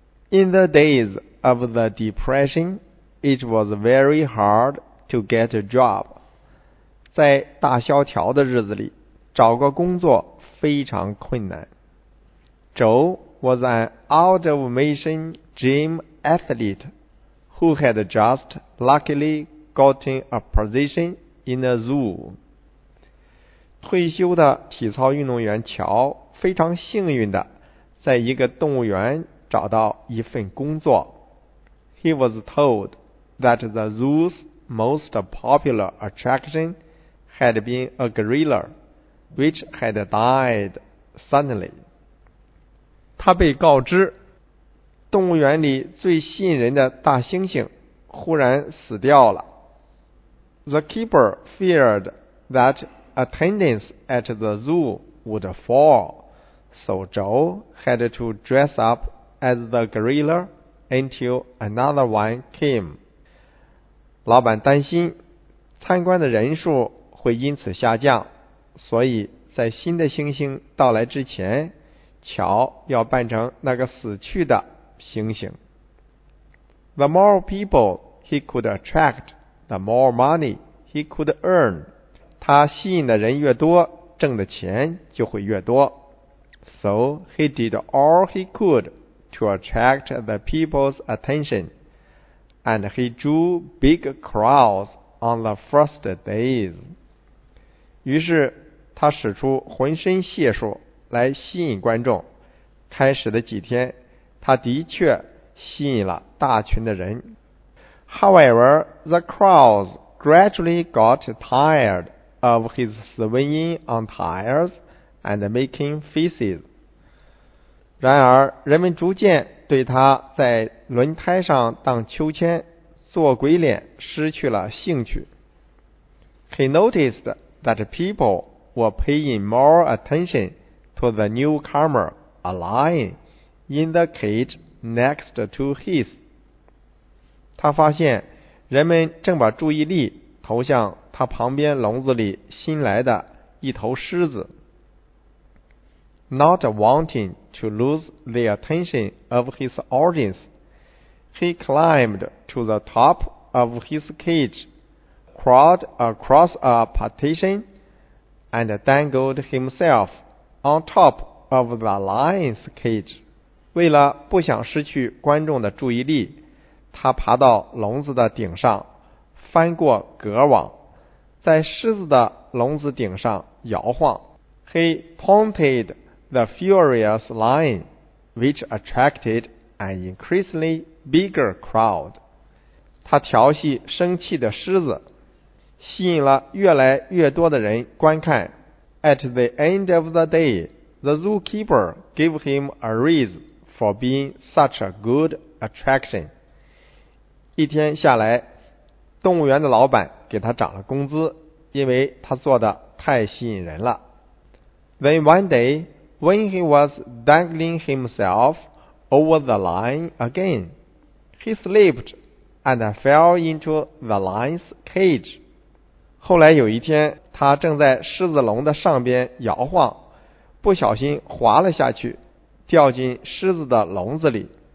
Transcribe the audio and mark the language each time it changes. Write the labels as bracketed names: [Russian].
[English] In the days of the Depression, it was very hard to get a job. [Chinese] 在大萧条的日子里，找个工作非常困难。 [English] Joe was an out-of-mission gym athlete who had just luckily gotten a position in a zoo. [Chinese] 退休的体操运动员乔非常幸运的在一个动物园找到一份工作。 [English] He was told that the zoo's most popular attraction had been a gorilla, which had died suddenly. [Chinese] 他被告知，动物园里最吸引人的大猩猩忽然死掉了。 [English] The keeper feared that attendance at the zoo would fall, so Joe had to dress up as the gorilla until another one came. [Chinese] 老板担心参观的人数会因此下降，所以在新的猩猩到来之前，乔要扮成那个死去的猩猩。 [English] The more people he could attract, the more money he could earn. [Chinese] 他吸引的人越多，挣的钱就会越多。 [English] So he did all he could to attract the people's attention, and he drew big crowds on the first days. [Chinese] 于是他使出浑身解数来吸引观众，开始的几天他的确吸引了大群的人。 [English] However, the crowds gradually got tired of his swinging on tires and making faces. [Chinese] 然而人们逐渐对他在轮胎上荡秋千、做鬼脸失去了兴趣。 [English] He noticed that people were paying more attention to the newcomer, a lion, in the cage next to his. [Chinese] 他发现人们正把注意力投向他旁边笼子里新来的一头狮子。 [English] Not wanting to lose the attention of his audience, he climbed to the top of his cage, crawled across a partition, and dangled himself on top of the lion's cage. [Chinese] 为了不想失去观众的注意力，他爬到笼子的顶上，翻过隔网，在狮子的笼子顶上摇晃。 [English] He taunted the furious lion, which attracted an increasingly bigger crowd. [Chinese] 他调戏生气的狮子，吸引了越来越多的人观看。 [English] At the end of the day, the zookeeper gave him a raise for being such a good attraction. [Chinese] 一天下来，动物园的老板给他涨了工资，因为他做的太吸引人了。 [English] Then one day, when he was dangling himself over the line again, he slipped and fell into the lion's cage. [Chinese] 后来有一天，他正在狮子笼的上边摇晃，不小心滑了下去，掉进狮子的笼子里。